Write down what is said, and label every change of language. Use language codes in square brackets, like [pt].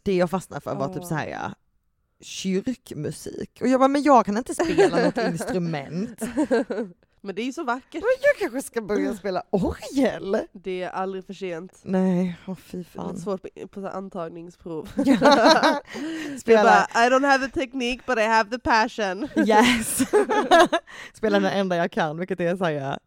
[sv] Det jag fastnade för var typ såhär kyrkmusik. Och jag bara, men jag kan inte spela något instrument. Men det är ju så vackert. Men jag kanske ska börja spela orgel. Det är aldrig för sent. Nej, fy fan. Det är svårt på så antagningsprov. Spela. Bara, [en] I don't have the technique, but I have the passion. Yes. [sv] Spela den enda jag kan, vilket är så här.